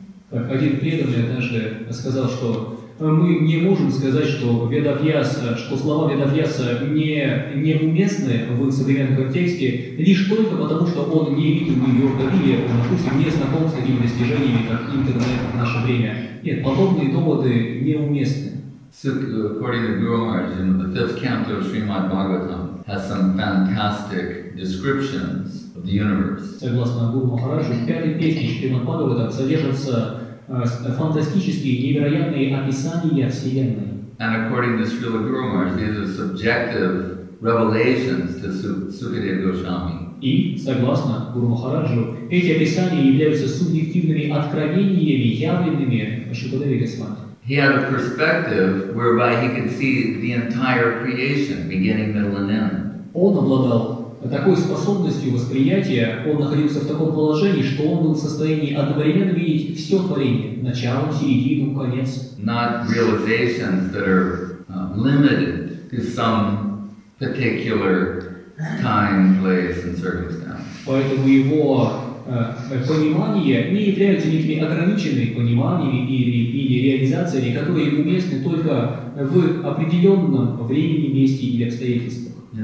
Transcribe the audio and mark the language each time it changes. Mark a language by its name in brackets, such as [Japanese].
[Russian] Так, один преданный однажды сказал, что мы не можем сказать, что слова Ведавьяса неуместны в современном контексте лишь только потому, что он не видел Нью-Йорка или, допустим, не знаком с такими достижениями, как интернет в наше время. Нет, подобные доводы неуместны. [English] According to Guru Maharaj, the fifth canto of Srimad Bhagavatam has some fantastic descriptions of the universe. [Russian] Согласно Гуру Махараджу, пятой песни Шримад Бхагаватам содержатся фантастические, невероятные описания Вселенной. [English] And according to Srila Guru Maharaj, these are subjective revelations to Sukadeva Goswami. [Russian] И, согласно Гуру Махараджу, эти описания являются субъективными откровениями, явленными Шукадеве Госвами. [English] He had a perspective whereby he could see the entire creation, beginning, middle, and end. [Russian] Он обладал такой способностью восприятия, он находился в таком положении, что он был в состоянии одновременно видеть все творение, начало, середину, конец. [English] Not realizations that are limited to some particular time, place, and circumstance. [Russian] Поэтому его понимание не является никакими ограниченными пониманиями или реализациями, которые уместны только в определенном времени, месте или обстоятельствах.